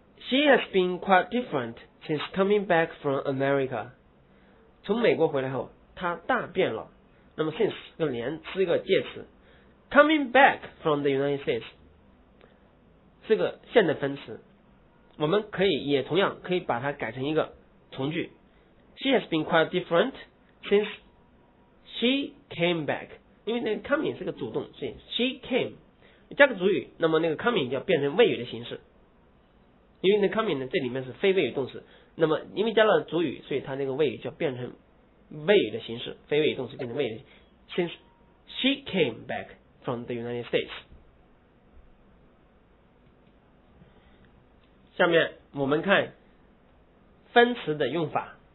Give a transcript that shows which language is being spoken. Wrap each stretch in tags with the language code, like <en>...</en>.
<en>She has been quite different since coming back from America.</en> <zh>从美国回来后她大变了。那么 since 个连是一个介词。</zh> <en>Coming back from the United States</en> <zh>是个现在分词。我们可以也同样可以把它改成一个从句。</zh> <en>She has been quite different since she came back.</en> <zh>因为那个 coming 是个主动，所以</zh> <en>she came。</en> <zh>加个主语，那么那个 coming 就要变成谓语的形式，因为那 coming 呢，这里面是非谓语动词，那么因为加了主语，所以它那个谓语就要变成谓语的形式，非谓语动词变成谓语的形式。</zh> <en>Since she came back from the United States，</en> <zh>下面我们看分词的用法。</zh>